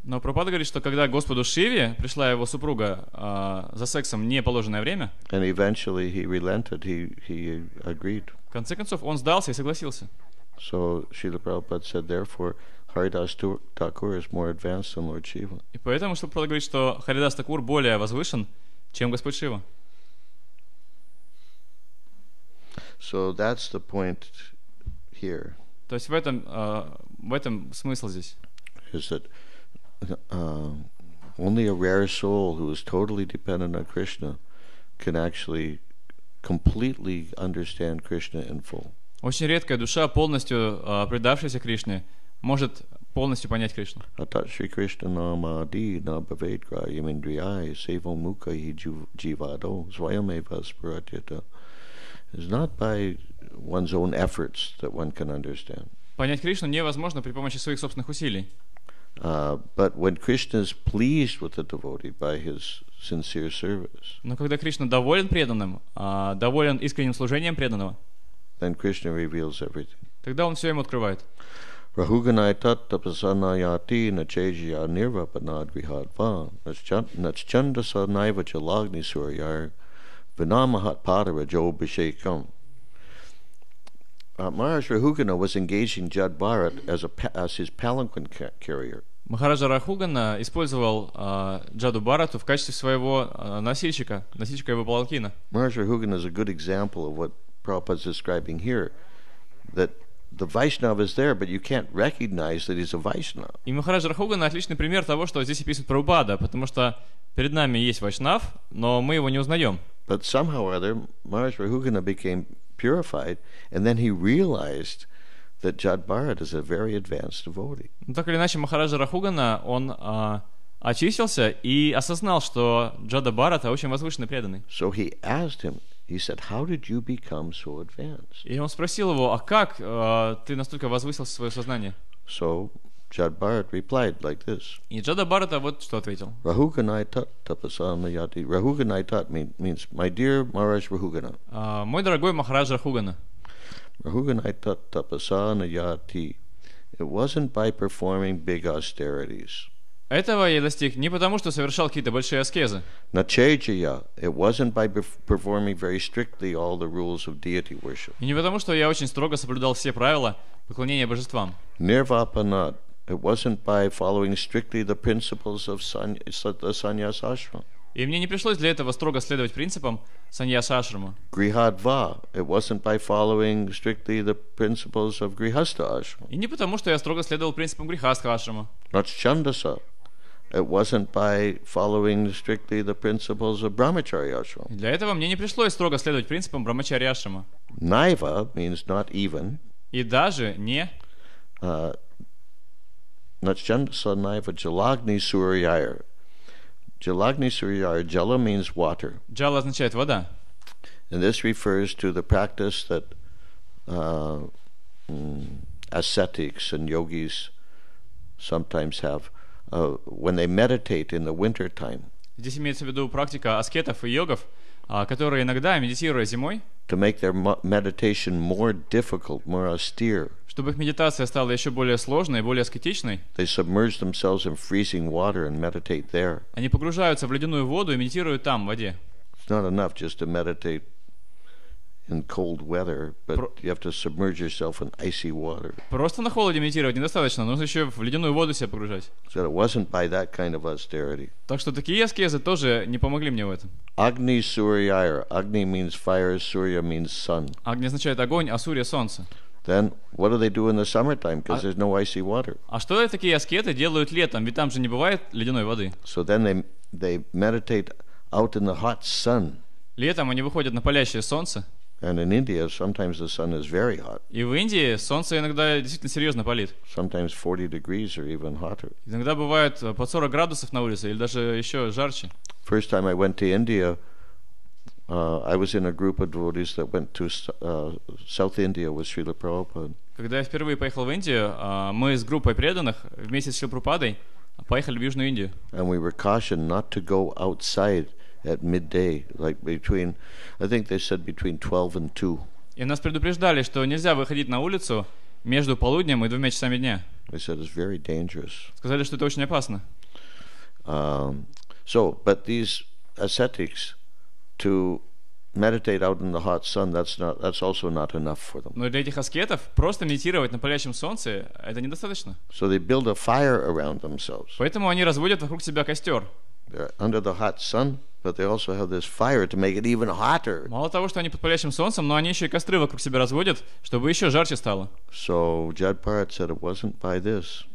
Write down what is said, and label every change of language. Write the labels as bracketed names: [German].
[Russian] Но Прабхупада говорит, что когда Господу Шиве пришла его супруга за сексом в неположенное время, [English] and eventually he relented, he agreed. [Russian] В конце концов он сдался и согласился. [English] So Srila Prabhupada said, therefore, Haridas Thakur is more advanced than Lord Shiva. [Russian] И поэтому Шрила Прабхупада говорит, что Харидас Такур более возвышен, чем Господь Шива. [English] So that's the point here. [Russian] То есть в этом смысл здесь. [English] Is that only a rare soul who is totally dependent on Krishna can actually completely understand Krishna in full. [Russian] Очень редкая душа, полностью предавшаяся Кришне, может полностью понять Кришну. [Sanskrit] Атат Шри Кришна Намади Набхавейдра Йемендрияй Сейва Мука Хи Дживадо Свайамева Спаратита. [English] It's not by one's own efforts that one can understand. [Russian] Понять Кришну невозможно при помощи своих собственных усилий. [English] But when Krishna is pleased with the devotee by his sincere service. [Russian] Но когда Кришна доволен преданным, доволен искренним служением преданного, [English] then Krishna reveals everything. [Russian] Тогда он все ему открывает. [Sanskrit] Rahugana tatta pasanayati na chejya nirva panadrihadva nachchanda sanaiva jalagni suryar vinamahat padara jobhishekam. [English] Maharaj Rahugana was engaging Judd Bharat as a as his palanquin carrier. [Russian] Махараджа Рахугана использовал Джаду Бхарату в качестве своего носильщика, носильщика его палкина. [English] Махараджа Рахугана is a good example of what Prabhupada is describing here, that the Vaishnava is there, but you can't recognize that he's a Vaishnava. [Russian] И Махараджа Рахугана отличный пример того, что здесь описывает Прабхупада, потому что перед нами есть Вайшнав, но мы его не узнаем. [English] But somehow or other, Махараджа Рахугана became purified, and then he realized that Judd Bharat is a very advanced devotee. [Russian] Ну, так или иначе, Махараджа Рахугана, он очистился и осознал, что Джада Бхарата очень возвышенный преданный. [English] So he asked him, he said, how did you become so advanced? [Russian] И он спросил его, а как ты настолько возвысился в своё сознание? [English] So Judd Bharat replied like this. [Russian] И Джада Бхарата вот что ответил. [Sanskrit] Rahuganaitat tapasamayati. [English] Rahuganaitat means my dear Maharaj Rahugana. [Russian] Мой дорогой Махарадж Рахугана. [Sanskrit] Rahuganaitat tapasanayati. [English] It wasn't by performing big austerities. [Russian] Этого я достиг не потому, что совершал какие-то большие аскезы. [Sanskrit] Начеджия. [English] It wasn't by performing very strictly all the rules of deity worship. [Russian] И не потому, что я очень строго соблюдал все правила поклонения божествам. [Sanskrit] Нирвапанат. [English] It wasn't by following strictly the principles of sannyasashram. [Russian] И мне не пришлось для этого строго следовать принципам саньяса-ашрама. [Sanskrit] Грихадва. [English] It wasn't by following strictly the principles of грихастха-ашрама. [Russian] И не потому, что я строго следовал принципам грихастха-ашрама. [Sanskrit] Начандаса. [English] It wasn't by following strictly the principles of брахмачари-ашрама. [Russian] Для этого мне не пришлось строго следовать принципам брахмачари-ашрама. [English] Naiva means not even. [Russian] И даже не. [Sanskrit] Начандаса наива джалагни сурьяйр. Jalagni Suryar, [English] jala means water. [Russian] Jala означает вода. [English] And this refers to the practice that ascetics and yogis sometimes have when they meditate in the winter time. [Russian] Здесь имеется в виду практика аскетов и йогов, которые иногда медитируют зимой. [English] To make their meditation more difficult, more austere. [Russian] Чтобы их медитация стала еще более сложной, более аскетичной. [English] They submerge themselves in freezing water and meditate there. [Russian] Они погружаются в ледяную воду и медитируют там, в воде. [English] It's not enough just to meditate in cold weather, but you have to submerge yourself in icy water. [Russian] Просто на холоде медитировать недостаточно, нужно еще в ледяную воду себя погружать. [English] So it wasn't by that kind of austerity. [Russian] Так что такие аскезы тоже не помогли мне в этом. [Sanskrit] Agni Suryaya. [English] Agni means fire, Surya means sun. [Russian] Агни означает огонь, а Сурья — солнце. [English] Then what do they do in the summertime? Because there's no icy water. [Russian] А что такие аскеты делают летом? Ведь там же не бывает ледяной воды. [English] So then they meditate out in the hot sun. [Russian] Летом они выходят на палящее солнце. [English] And in India sometimes the sun is very hot. [Russian] И в Индии солнце иногда действительно серьезно палит. [English] Sometimes 40 degrees or even hotter. [Russian] Иногда бывает под 40 градусов на улице или даже еще жарче. [English] First time I went to India, I was in a group of devotees that went to South India with Srila Prabhupada. [Russian] Когда я впервые поехал в Индию, мы с группой преданных вместе с Шрилой Прабхупадой поехали в Южную Индию. [English] And we were cautioned not to go outside at midday, like between, I think they said between 12 and 2. [Russian] И нас предупреждали, что нельзя выходить на улицу между полуднем и двумя часами дня. [English] They said it's very dangerous. [Russian] Сказали, что это очень опасно. [English] So, but these ascetics, to meditate out in the hot sun, that's also not enough for them. [Russian] Но для этих аскетов просто медитировать на палящем солнце — это недостаточно. [English] So they build a fire around themselves. [Russian] Поэтому они разводят вокруг себя костер. [English] They're under the hot sun, but they also have this fire to make it even hotter. [Russian] Мало того, что они под палящим солнцем, но они еще и костры вокруг себя разводят, чтобы еще жарче стало. [English] So Judd Barrett said it wasn't by this.